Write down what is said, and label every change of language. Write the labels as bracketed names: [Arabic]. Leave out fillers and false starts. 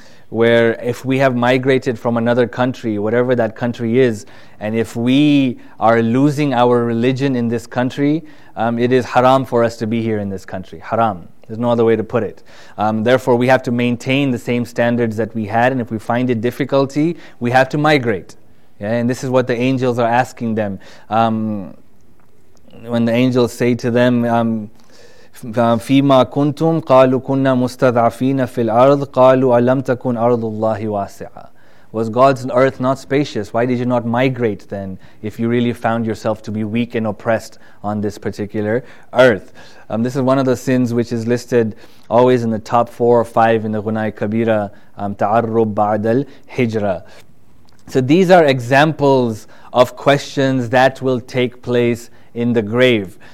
[English] Where if we have migrated from another country, whatever that country is, and if we are losing our religion in this country, it is haram for us to be here in this country. Haram. There's no other way to put it. Therefore, we have to maintain the same standards that we had, and if we find it difficulty, we have to migrate. Yeah? And this is what the angels are asking them. When the angels say to them, [Arabic] فِيمَا كُنْتُمْ قَالُوا كُنَّا مُسْتَضْعَفِينَ فِي الْأَرْضِ قَالُوا أَلَمْ تَكُنْ أَرْضُ اللَّهِ وَاسِعَةً. [English] Was God's earth not spacious? Why did you not migrate then if you really found yourself to be weak and oppressed on this particular earth? This is one of the sins which is listed always in the top four or five in the Gunai Kabira, Ta'arrub Ba'd al-Hijra. So these are examples of questions that will take place in the grave.